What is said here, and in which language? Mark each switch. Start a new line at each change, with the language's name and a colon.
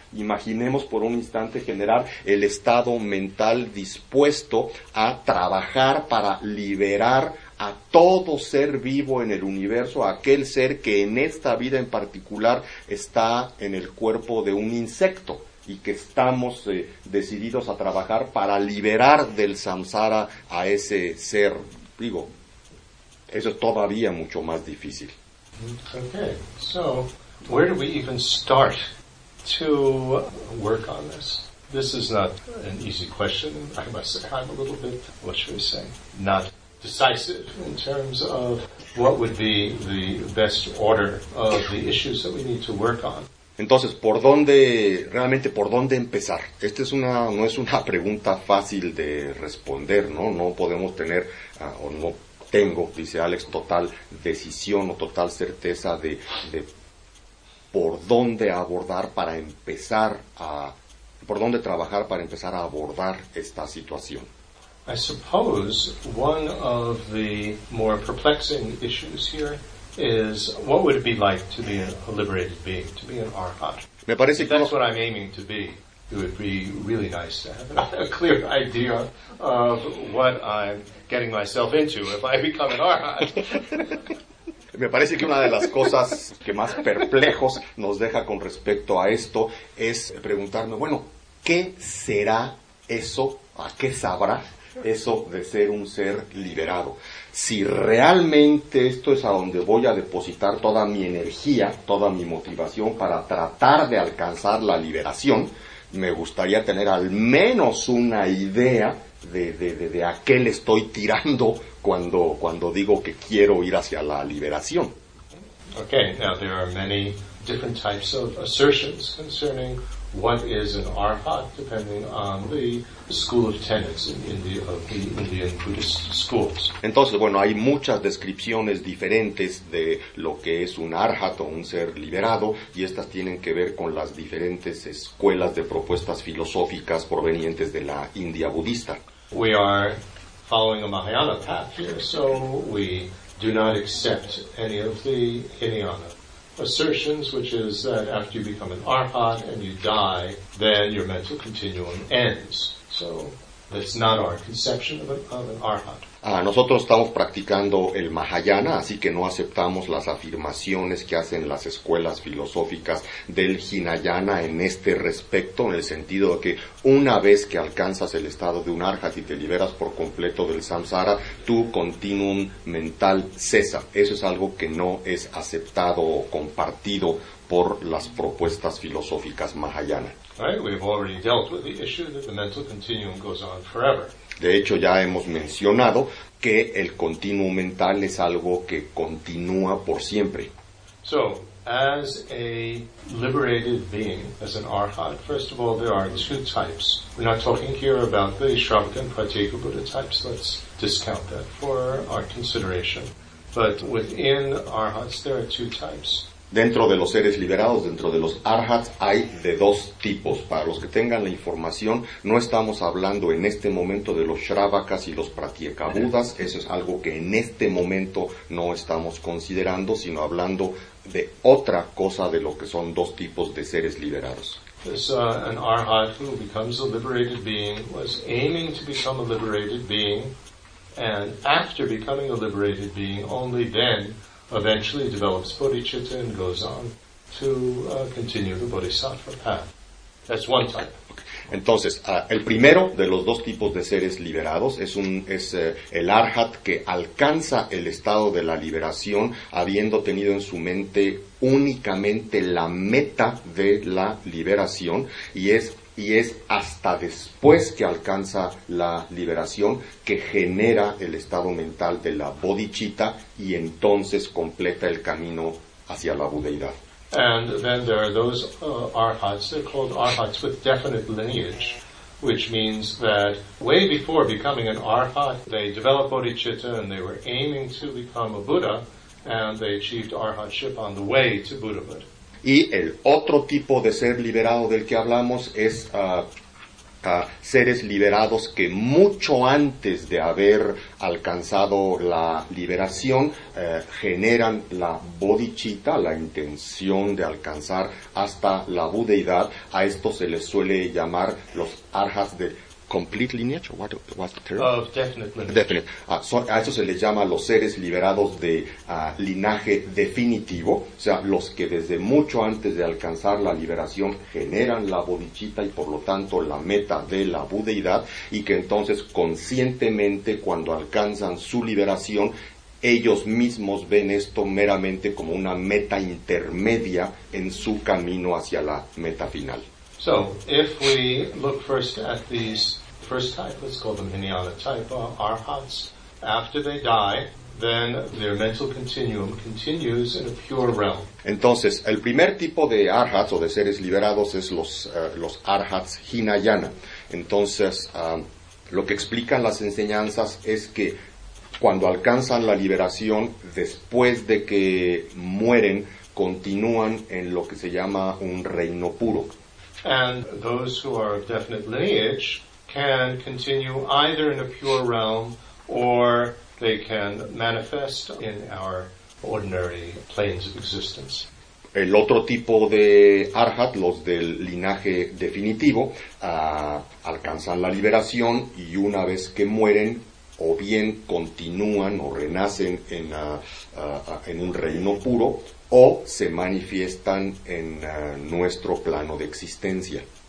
Spanish: Imaginemos por un instante generar el estado mental dispuesto a trabajar para liberar a todo ser vivo en el universo, aquel ser que en esta vida en particular está en el cuerpo de un insecto. y que estamos decididos a trabajar para liberar del samsara a ese ser. Digo, eso es todavía mucho más difícil.
English: Okay, so where do we even start to work on this? This is not an easy question. I must say I'm a little bit, what should we say, not decisive in terms of what would be the best order of the issues that we need to work on.
Spanish: Entonces, ¿por dónde, realmente por dónde empezar? Esta es una, no es una pregunta fácil de responder, ¿no? No podemos tener, o no tengo, dice Alex, total decisión o total certeza de por dónde abordar para empezar a, por dónde trabajar para empezar a abordar esta situación.
English: I suppose one of the more perplexing issues here is what would it be like to be a liberated being, to be an arhat?
Spanish: Me parece que
English: that's what I'm aiming to be. It would be really nice to have a clear idea of what I'm getting myself into if I become an arhat.
Spanish: Me parece que una de las cosas que más perplejos nos deja con respecto a esto es preguntarme, bueno, ¿qué será eso? ¿A qué sabrá eso de ser un ser liberado? Si realmente esto es a donde voy a depositar toda mi energía, toda mi motivación para tratar de alcanzar la liberación, me gustaría tener al menos una idea de a qué le estoy tirando cuando digo que quiero ir hacia la liberación.
English: Okay, now there are many different types of assertions concerning what is an arhat, depending on the school of tenets in India, of the Indian Buddhist schools.
Spanish: Entonces, bueno, hay muchas descripciones diferentes de lo que es un arhat o un ser liberado, y estas tienen que ver con las diferentes escuelas de propuestas filosóficas provenientes de la India budista.
English: We are following a Mahayana path here, so we do not accept any of the Hinayana assertions, which is that after you become an arhat and you die, then your mental continuum ends. So that's not our conception of an arhat.
Spanish: Nosotros estamos practicando el Mahayana, así que no aceptamos las afirmaciones que hacen las escuelas filosóficas del Hinayana en este respecto, en el sentido de que una vez que alcanzas el estado de un arhat y te liberas por completo del samsara, tu continuum mental cesa. Eso es algo que no es aceptado o compartido por las propuestas filosóficas Mahayana.
English: Right, we've already dealt with the issue that the mental continuum goes on forever.
Spanish: De hecho, ya hemos mencionado que el continuo mental es algo que continúa por siempre.
English: So, as a liberated being, as an arhat, first of all, there are two types. We're not talking here about the Shravaka and Pratyeka Buddha types. Let's discount that for our consideration. But within arhats, there are two types.
Spanish: Dentro de los seres liberados, dentro de los arhats, hay de dos tipos. Para los que tengan la información, no estamos hablando en este momento de los shravakas y los pratyekabuddhas. Eso es algo que en este momento no estamos considerando, sino hablando de otra cosa, de lo que son dos tipos de seres liberados.
English: This, an arhat who becomes a liberated being was aiming to become a liberated being, and after becoming a liberated being, only then eventually develops bodhicitta and goes on to continue the bodhisattva path. That's one type.
Spanish: Entonces, el primero de los dos tipos de seres liberados es el arhat que alcanza el estado de la liberación habiendo tenido en su mente únicamente la meta de la liberación, y es hasta después que alcanza la liberación que genera el estado mental de la bodhicitta y entonces completa el camino hacia la budeidad.
English: And then there are those arhats, they're called arhats with definite lineage, which means that way before becoming an arhat, they developed bodhicitta and they were aiming to become a Buddha, and they achieved arhatship on the way to Buddhahood.
Spanish: Y el otro tipo de ser liberado del que hablamos es seres liberados que mucho antes de haber alcanzado la liberación generan la bodhicitta, la intención de alcanzar hasta la budeidad. A esto se les suele llamar los arhats de
English: complete lineage? Or what term? Of definite lineage. Definite.
Spanish: A eso se les llama los seres liberados de linaje definitivo, o sea, los que desde mucho antes de alcanzar la liberación generan la bodhicitta y por lo tanto la meta de la budeidad, y que entonces conscientemente cuando alcanzan su liberación, ellos mismos ven esto meramente como una meta intermedia en su camino hacia la meta final.
English: So, if we look first at these first type, let's call them jnana type, arhats, after they die, then their mental continuum continues in a pure realm.
Spanish: Entonces, el primer tipo de arhats o de seres liberados es los arhats jnana. Entonces, lo que explican las enseñanzas es que cuando alcanzan la liberación, después de que mueren, continúan en lo que se llama un reino puro.
English: And those who are of definite lineage can continue either in a pure realm or they can manifest in our ordinary planes of existence.
Spanish: El otro tipo de arhat, los del linaje definitivo, alcanzan la liberación y una vez que mueren, o bien continúan o renacen en un reino puro, o se manifiestan en nuestro plano de existencia.